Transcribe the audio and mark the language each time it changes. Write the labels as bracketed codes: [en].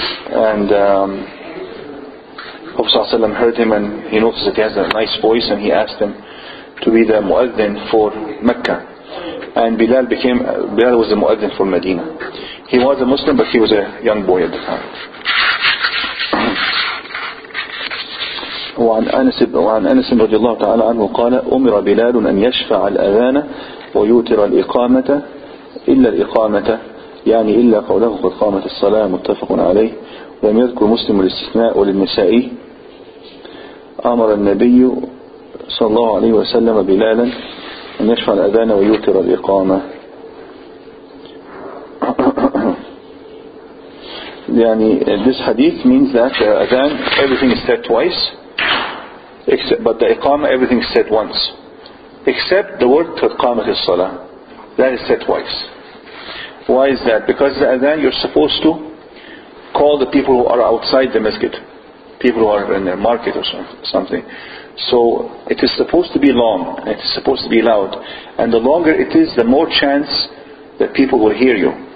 [en] And Prophet ﷺ heard him, and he noticed that he has a nice voice, and he asked him to be the Muaddin for Mecca. And Bilal was the Muaddin for Medina. He was a Muslim, but he was a young boy at the time. [ar] وعن أنس رضي الله تعالى عنه قال أمر بلال أن يشفع الأذان ويوتر الإقامة إلا الإقامة يعني إلا قوله قد قامت الصلاة متفق عليه ولم يذكر مسلم الاستثناء وللنسائي أمر النبي صلى الله عليه وسلم بلالا أن يشفع الأذان ويوتر الإقامة [en] يعني this hadith means that Adhan, everything is said twice except, but the Iqama, everything said once except the word Qamat al-Salah, that is said twice. Why is that? Because the Adhan, you're supposed to call the people who are outside the masjid, people who are in their market or something. So it is supposed to be long, it is supposed to be loud, and the longer it is, the more chance that people will hear you.